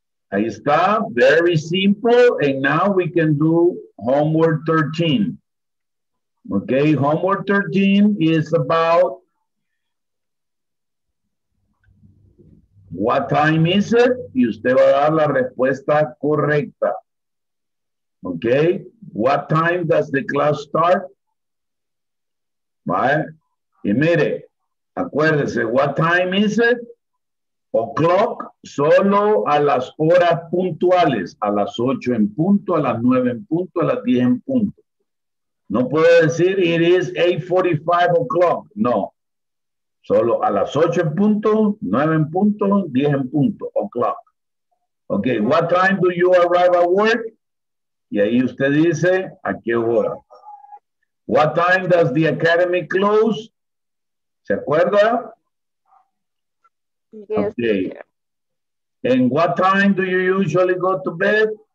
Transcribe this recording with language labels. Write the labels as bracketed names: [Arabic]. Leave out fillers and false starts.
[Spanish] Ahí está, [English] very simple, and now we can do homework 13. Okay, homework 13 is about what time is it? [Spanish] Y usted va a dar la respuesta correcta. [English] Okay, what time does the class start? [Spanish] ¿Vale? Y mire, acuérdese, [English] what time is it? [Spanish] O clock, solo a las horas puntuales, a las 8 en punto, a las 9 en punto, a las 10 en punto. No puedo decir, [English] it is 8:45 o'clock, [Spanish] no. Solo a las 8 en punto, 9 en punto, 10 en punto, o clock. [English] Ok, what time do you arrive at work? [Spanish] Y ahí usted dice, ¿a qué hora? [English] What time does the academy close? [Spanish] ¿Se acuerda? [English] Yes. Okay. And what time do you usually go to bed?